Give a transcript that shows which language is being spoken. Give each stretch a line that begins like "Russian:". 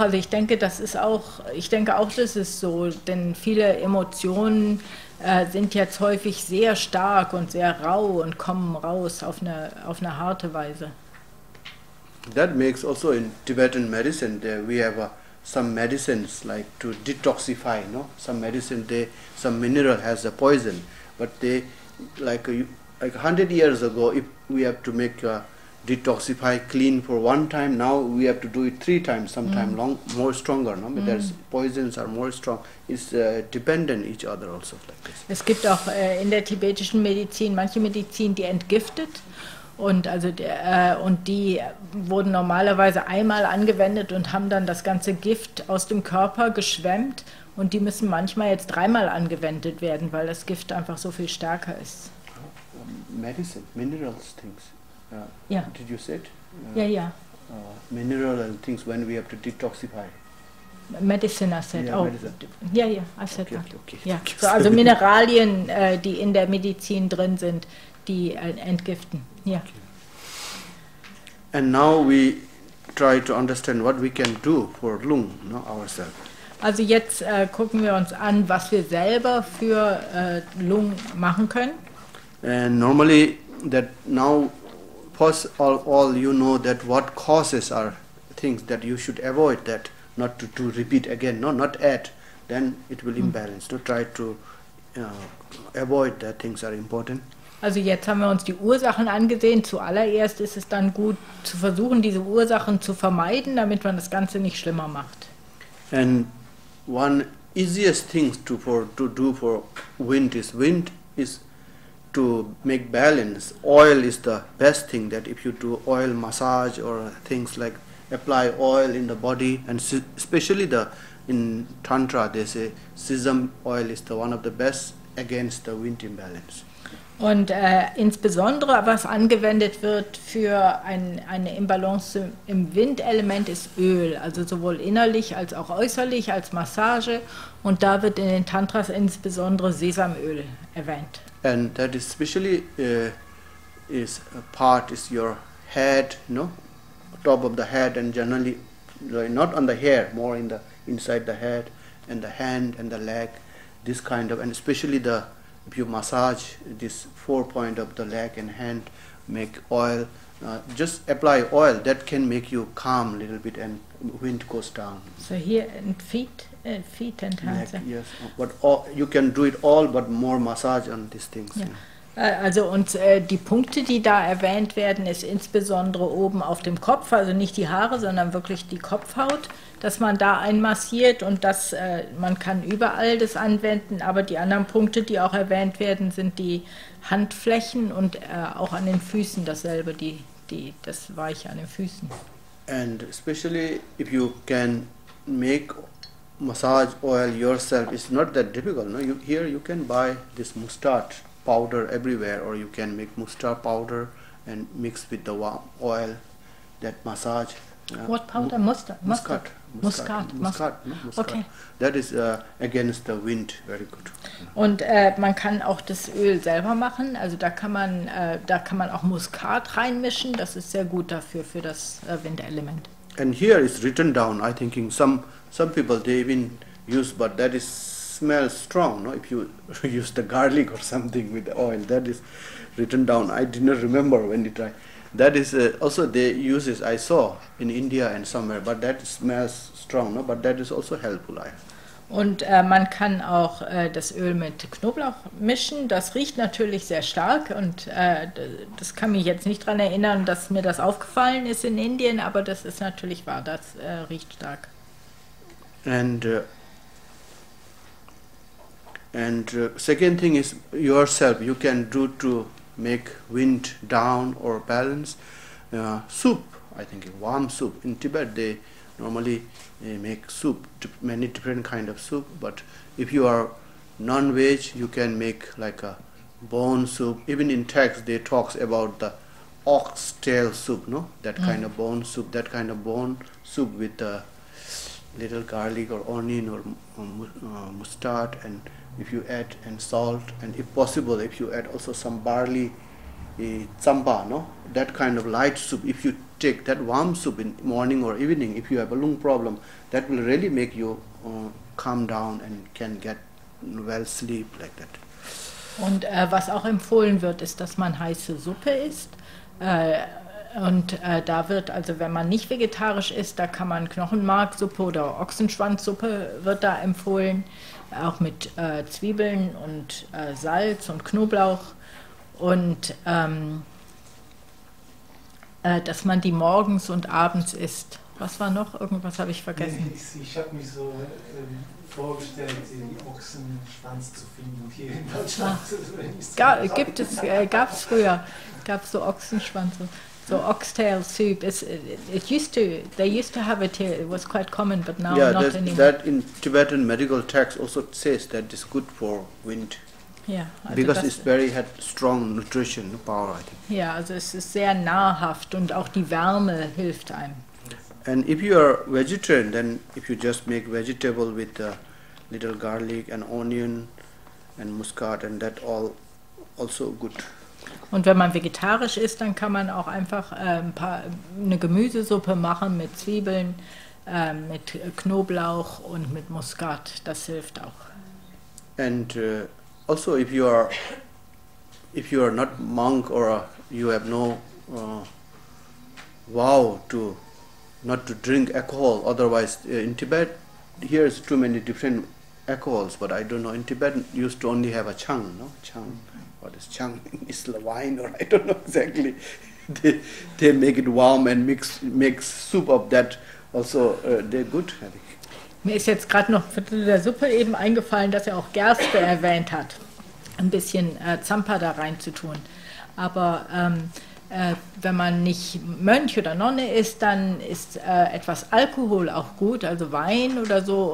German: Also ich denke auch, das ist so, denn viele Emotionen sind jetzt häufig sehr stark und sehr rau und kommen raus auf eine harte Weise.
English: That makes also in Tibetan medicine there we have some medicines like to detoxify, no? Some medicine, some mineral has a poison, but they like 100 years ago, if we have to make detoxify clean for one time, now we have to do it three times, sometimes long, more stronger. No? Mm. There's poisons are more strong. It's dependent each other also like this.
German: Es gibt auch in der tibetischen Medizin manche Medizin, die entgiftet. Und also und die wurden normalerweise einmal angewendet und haben dann das ganze Gift aus dem Körper geschwemmt. Und die müssen manchmal jetzt dreimal angewendet werden, weil das Gift einfach so viel stärker ist.
English: Medicine, minerals, things. Yeah. Did you say it? Yeah, yeah. Mineral and things when we have to detoxify. Medicine, I said. Yeah, oh, medicine. Yeah, yeah, I said okay, that. Okay, okay.
German: Yeah. So, also Mineralien, die in der Medizin drin sind, die entgiften.
English: Yeah. Okay. And now we try to understand what we can do for lung, no, ourselves.
German: Also jetzt gucken wir uns an, was wir selber für lung machen können.
English: And normally that now first of all you know that what causes are things that you should avoid, that not to, to repeat again, no, not add, then it will imbalance. So try to avoid that things are important.
German: Also jetzt haben wir uns die Ursachen angesehen. Zuallererst ist es dann gut zu versuchen, diese Ursachen zu vermeiden, damit man das Ganze nicht schlimmer macht.
English: And one easiest thing to do for wind is to make balance. Oil is the best thing, that if you do oil massage or things like apply oil in the body, and especially the in Tantra they say sesame oil is the one of the best against the wind imbalance.
German: Und insbesondere was angewendet wird für eine Imbalance im Windelement ist Öl, also sowohl innerlich als auch äußerlich als Massage, und da wird in den Tantras insbesondere Sesamöl erwähnt.
English: And that is especially is a part is your head, no, top of the head, and generally not on the hair, more in the inside the head and the hand and the leg, this kind of, and especially the if you massage this 4 points of the leg and hand, make oil, just apply oil, that can make you calm a little bit and wind goes down. So here and feet and hands. Neck, yes, but all, you can do it all, but more massage on these things. Yeah. Yeah.
German: Also und die Punkte, die da erwähnt werden, ist insbesondere oben auf dem Kopf, also nicht die Haare, sondern wirklich die Kopfhaut, dass man da einmassiert, und das, man kann überall das anwenden, aber die anderen Punkte, die auch erwähnt werden, sind die Handflächen und auch an den Füßen dasselbe, das Weiche an den Füßen.
English: And especially if you can make massage oil yourself, it's not that difficult. No? Here you can buy this mustard powder everywhere, or you can make mustard powder and mix with the oil, that massage. What powder? Muscat. That is against the wind, very good.
German: Und man kann auch das Öl selber machen, also da kann man auch Muskat reinmischen, das ist sehr gut dafür, für das Windelement.
English: And here is written down, I think some people they even use, but that is smell strong, no? If you use the garlic or something with oil, that is written down, I didn't remember when you try. That is also they use it, I saw in India and somewhere, but that smells strong, no? But that is also helpful.
German: Und man kann auch das Öl mit Knoblauch mischen. Das riecht natürlich sehr stark, und das kann mich jetzt nicht daran erinnern, dass mir das aufgefallen ist in Indien, aber das ist natürlich wahr, das riecht stark.
English: And second thing is yourself, you can do to make wind down or balance soup, I think warm soup. In Tibet they normally make soup, many different kind of soup, but if you are non-veg you can make like a bone soup. Even in text they talks about the ox tail soup, no, that kind of bone soup, that kind of bone soup with a little garlic or onion or mustard, and if you add and salt, and if possible if you add also some barley champa, no, that kind of light soup, if you take that warm soup in morning or evening if you have a lung problem, that will really make you calm down and can get well sleep like that.
German: Und was auch empfohlen wird, ist, dass man heiße Suppe isst, Und da wird, also wenn man nicht vegetarisch ist, da kann man Knochenmarksuppe oder Ochsenschwanzsuppe wird da empfohlen, auch mit Zwiebeln und Salz und Knoblauch. Und dass man die morgens und abends isst. Was war noch? Irgendwas habe ich vergessen. Nee, ich habe mich so vorgestellt, den Ochsenschwanz zu finden hier in Deutschland. Ah. Gab es früher, gab es so Ochsenschwanz.
English: So oxtail soup, they used to have it here, it was quite common, but now yeah, not anymore. That in Tibetan medical text also says that it's good for wind. Yeah. Also because it's very had strong nutrition power, I think.
German: Yeah, also es ist sehr nahrhaft und auch die Wärme hilft einem.
English: And if you are vegetarian, then if you just make vegetable with a little garlic and onion and muscat and that all also good.
German: Und wenn man vegetarisch ist, dann kann man auch einfach eine Gemüsesuppe machen mit Zwiebeln, mit Knoblauch und mit Muskat. Das hilft auch.
English: And also if you are not monk or you have no vow to not to drink alcohol, otherwise in Tibet here is too many different alcohols, but I don't know, in Tibet used to only have a chang, no? Chang. What is chang? Is it wine or I don't know exactly. They make it warm and make soup of that. Also, they're good, I think.
German: Mir ist jetzt gerade noch für der Suppe eben eingefallen, dass er auch Gerste erwähnt hat, ein bisschen Zampa da rein zu tun. Aber wenn man nicht Mönch oder Nonne ist, dann ist etwas Alkohol auch gut, also Wein oder so.